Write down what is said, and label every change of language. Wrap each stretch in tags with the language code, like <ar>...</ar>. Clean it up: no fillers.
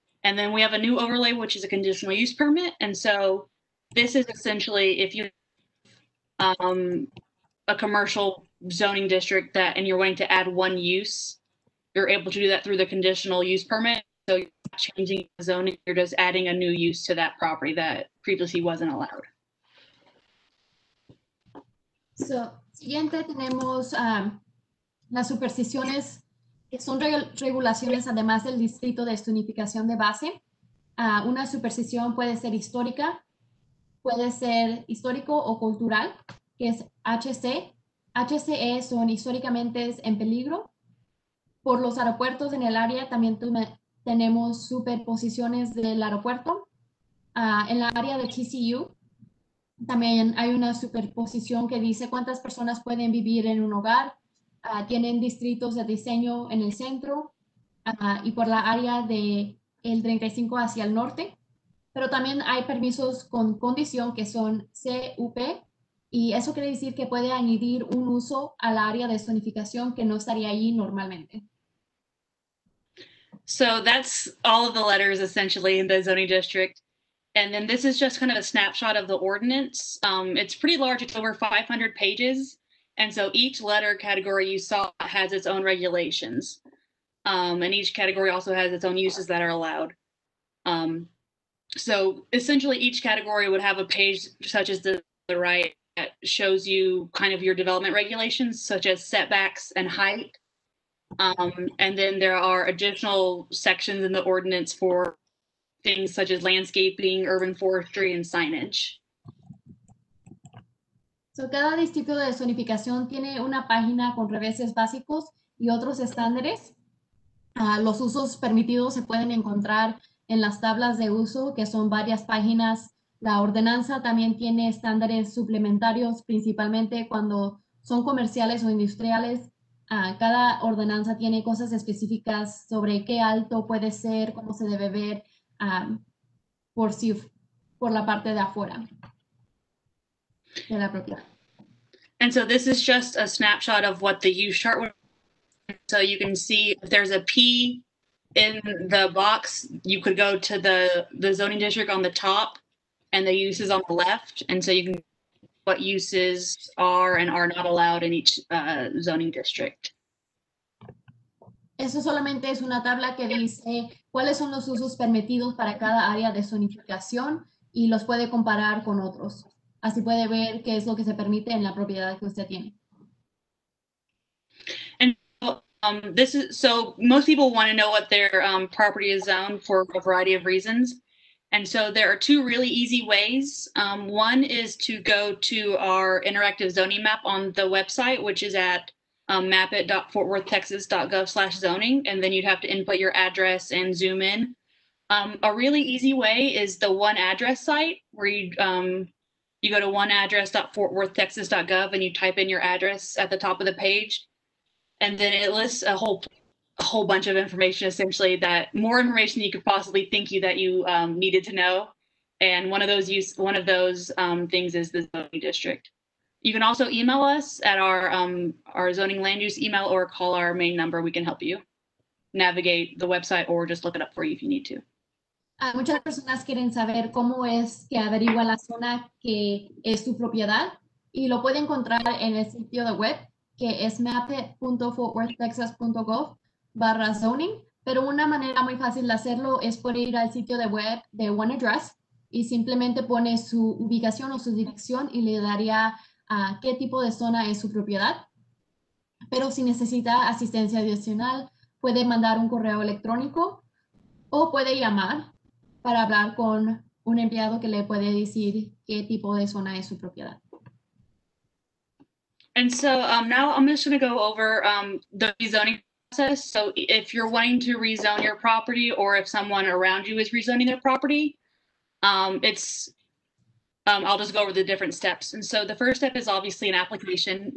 <en>And then we have a new overlay, which is a conditional use permit. And so this is essentially if you a commercial zoning district that and you're wanting to add one use, you're able to do that through the conditional use permit. So you're not changing the zoning, you're just adding a new use to that property that previously wasn't allowed.</en> <es>So, siguiente tenemos las supersticiones, que son regulaciones además del distrito de zonificación de base. Una superstición puede ser histórica, puede ser histórico o cultural, que es HC. HCE son históricamente en peligro. Por los aeropuertos en el área también tenemos superposiciones del aeropuerto. En la área de TCU también hay una superposición que dice cuántas personas pueden vivir en un hogar. Tienen distritos de diseño en el centro y por la área del 35 hacia el norte. Pero también hay permisos con condición que son CUP. Y eso quiere decir que puede añadir un uso a la área de zonificación que no estaría allí normalmente.</es> <en>So that's all of the letters essentially in the zoning district. And then this is just kind of a snapshot of the ordinance. It's pretty large, it's over 500 pages. And so each letter category you saw has its own regulations. And each category also has its own uses that are allowed. So essentially each category would have a page such as the right that shows you kind of your development regulations, such as setbacks and height. And then there are additional sections in the ordinance for things such as landscaping, urban forestry, and signage.</en> <es>So cada distrito de zonificación tiene una página con reveses básicos y otros estándares. Los usos permitidos se pueden encontrar en las tablas de uso, que son varias páginas. La ordenanza también tiene estándares suplementarios, principalmente cuando son comerciales o industriales. Cada ordenanza tiene cosas específicas sobre qué alto puede ser, cómo se debe ver por la parte de afuera de la propiedad.</es> <en>And so this is just a snapshot of what the use chart would be. So you can see if there's a P in the box, you could go to the zoning district on the top. And the uses on the left, and so you can what uses are and are not allowed in each zoning district.</en> <es>Eso solamente es una tabla que dice cuáles son los usos permitidos para cada área de zonificación y los puede comparar con otros. Así puede ver qué es lo que se permite en la propiedad que usted tiene.</es> <en>And so most people want to know what their property is zoned for a variety of reasons. And so there are two really easy ways. One is to go to our interactive zoning map on the website, which is at mapit.fortworthtexas.gov/zoning. And then you'd have to input your address and zoom in. A really easy way is the one address site where you go to oneaddress.fortworthtexas.gov and you type in your address at the top of the page. And then it lists a whole bunch of information, essentially, that more information you could possibly think that you needed to know. And one of those things is the zoning district. You can also email us at our zoning land use email or call our main number. We can help you navigate the website or just look it up for you if you need to.</en> <es>Muchas personas quieren saber cómo es que averigua la zona que es su propiedad y lo puede encontrar en el sitio de web que es mapit.fortworthtexas.gov/zoning, pero una manera muy fácil de hacerlo es por ir al sitio de web de One Address y simplemente pone su ubicación o su dirección y le daría a qué tipo de zona es su propiedad. Pero si necesita asistencia adicional, puede mandar un correo electrónico o puede llamar para hablar con un empleado que le puede decir qué tipo de zona es su propiedad.</es> <en>And so now I'm just going to go over the zoning. So if you're wanting to rezone your property or if someone around you is rezoning their property, it's I'll just go over the different steps. And so the first step is obviously an application.</en>